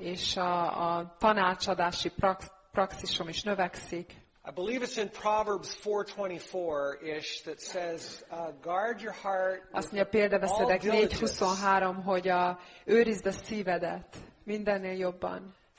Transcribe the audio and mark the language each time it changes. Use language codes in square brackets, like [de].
[hu] És a tanácsadási praxisom is növekszik. [en] I believe it's in Proverbs 4:24-ish that says guard your heart. [hu] Azt mondja Példabeszédek 4:23, hogy a őrizd a szívedet mindennél jobban.